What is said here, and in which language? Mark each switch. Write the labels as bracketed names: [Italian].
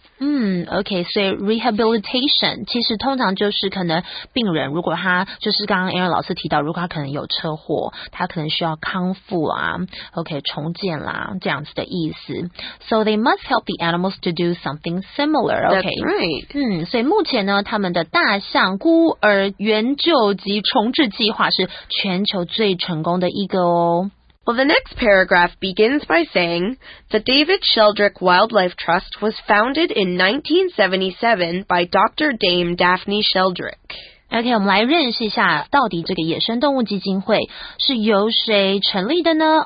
[Chinese] OK, 所以 rehabilitation 其实通常就是可能病人如果他就是刚刚 Aaron 老师提到，如果他可能有车祸，他可能需要康复啊 ，OK， 重建啦这样子的意思。 [English] So they must help the animals to do something similar. OK, that's right. [Chinese] 所以目前呢，他们的大象孤儿援救及重置计划是全球最成功的一个哦。 [English] Well, the next paragraph begins by saying, The David Sheldrick Wildlife Trust was founded in 1977 by Dr. Dame Daphne Sheldrick. [Chinese] OK, 我们来认识一下到底这个野生动物基金会是由谁成立的呢？